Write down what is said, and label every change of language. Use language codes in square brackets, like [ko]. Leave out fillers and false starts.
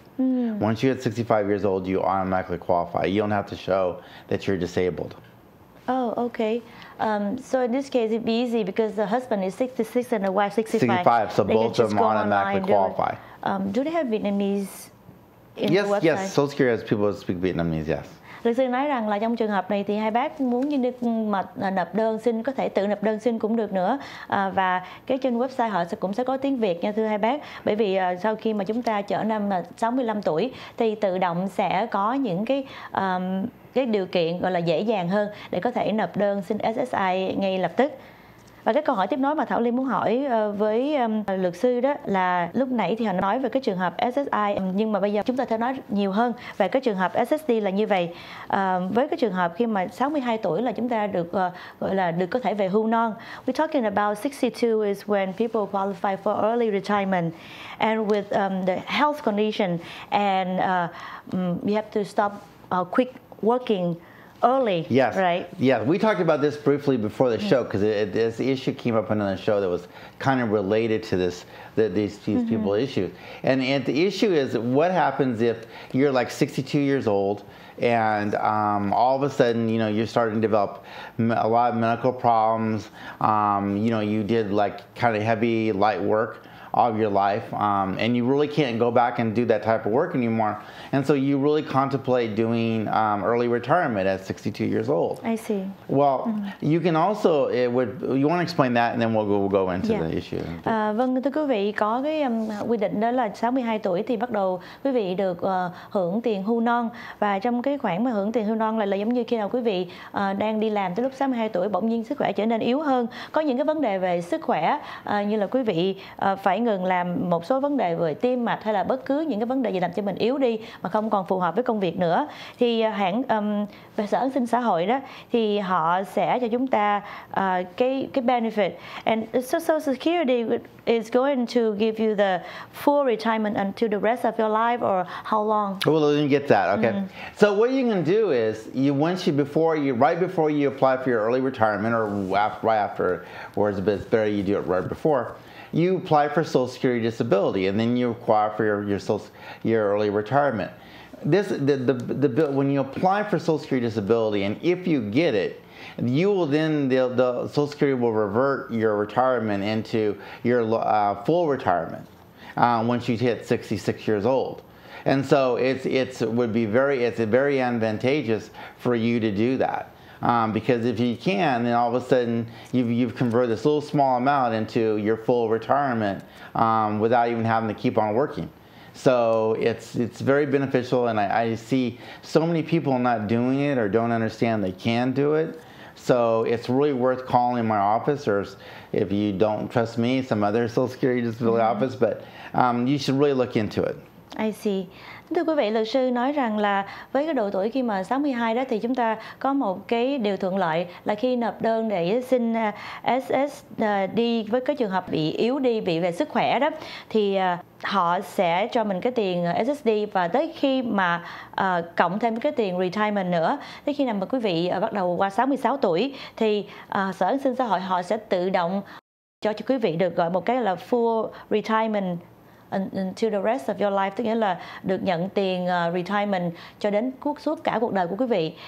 [en] Once you're at 65 years old, you automatically qualify. You don't have to show that you're disabled. Oh, okay. So in this case, it'd be easy because the husband is 66 and the wife 65. 65, so both of them automatically qualify. Do they have Vietnamese in yes, the website? Yes, Social Security has people who speak Vietnamese, yes. [vi] Luật sư nói rằng là trong trường hợp này thì hai bác muốn như được mật nộp đơn xin, có thể tự nộp đơn xin cũng được nữa, và cái trên website họ sẽ cũng sẽ có tiếng Việt nha thưa hai bác, bởi vì sau khi mà chúng ta trở năm 65 tuổi thì tự động sẽ có những cái điều kiện gọi là dễ dàng hơn để có thể nộp đơn xin SSI ngay lập tức. Và cái câu hỏi tiếp nối mà Thảo Liên muốn hỏi với luật sư đó là lúc nãy thì họ nói về cái trường hợp SSI, nhưng mà bây giờ chúng ta sẽ nói nhiều hơn về cái trường hợp SSD là như vậy. Với cái trường hợp khi mà 62 tuổi là chúng ta được gọi là được có thể về hưu non. [en] We're talking about 62 is when people qualify for early retirement, and with the health condition, and we have to stop quick working early. Yes. Right. Yeah. We talked about this briefly before the show, because this issue came up on another show that was kind of related to this, these people issues. And the issue is, what happens if you're like 62 years old and all of a sudden, you know, you're starting to develop a lot of medical problems. You know, you did like kind of heavy, light work all of your life, and you really can't go back and do that type of work anymore. And so you really contemplate doing early retirement at 62 years old. I see. Well, you can also, you want to explain that, and then we'll go into the issue. [vi] Vâng, thưa quý vị, có cái quy định đó là 62 tuổi thì bắt đầu quý vị được hưởng tiền hưu non. Và trong cái khoản mà hưởng tiền hưu non là giống như khi nào quý vị đang đi làm tới lúc 62 tuổi, bỗng nhiên sức khỏe trở nên yếu hơn, có những cái vấn đề về sức khỏe, như là quý vị phải ngừng làm một số vấn đề về tim mạch, hay là bất cứ những cái vấn đề gì làm cho mình yếu đi mà không còn phù hợp với công việc nữa, thì hãng về sở an sinh xã hội đó thì họ sẽ cho chúng ta cái benefit, [en] and Social Security is going to give you the full retirement until the rest of your life, or how long? Well, let me get that. Okay. So what you're going to do is, right before you apply for your early retirement, or right after, you do it right before. You apply for Social Security disability, and then you apply for your early retirement. This when you apply for Social Security disability, and if you get it, you will then the Social Security will revert your retirement into your full retirement once you hit 66 years old. And so it's very advantageous for you to do that. Because if you can, then all of a sudden you've converted this little small amount into your full retirement without even having to keep on working. So it's very beneficial, and I see so many people not doing it or don't understand they can do it. So it's really worth calling my office, or if you don't trust me, some other Social Security Disability office, but you should really look into it. I see. [vi] Thưa quý vị, luật sư nói rằng là với cái độ tuổi khi mà 62 đó thì chúng ta có một cái điều thuận lợi là khi nộp đơn để xin SSD với cái trường hợp bị yếu đi, bị về sức khỏe đó, thì họ sẽ cho mình cái tiền SSD và tới khi mà cộng thêm cái tiền retirement nữa, tới khi nào mà quý vị bắt đầu qua 66 tuổi thì Sở An sinh Xã hội họ sẽ tự động cho quý vị được gọi một cái là [en] full retirement until the rest of your life, [vi] tức nghĩa là được nhận tiền retirement cho đến suốt cả cuộc đời của quý vị.